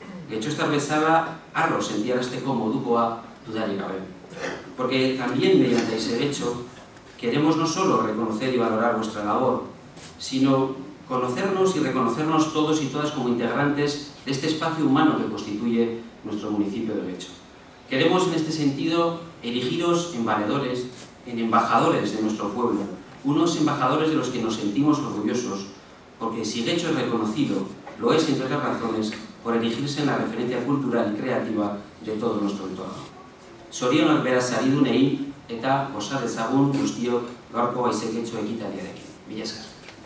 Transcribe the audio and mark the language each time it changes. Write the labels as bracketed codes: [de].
[eu] Getxoztar bezala, arro sentiarazteko modukoa dudarik gabe. [es] Porque también mediante ese hecho queremos no solo reconocer y valorar vuestra labor, sino conocernos y reconocernos todos y todas como integrantes de este espacio humano que constituye nuestro municipio de Loecho. Queremos en este sentido erigiros en valedores, en embajadores de nuestro pueblo, unos embajadores de los que nos sentimos orgullosos, porque si Loecho es reconocido, lo es entre otras razones por erigirse en la referencia cultural y creativa de todo nuestro entorno. [eu] Zorionak beraz saridunei eta gozar dezagun guztiok gaurko haize getxo ekitaldiarekin. Mila esker.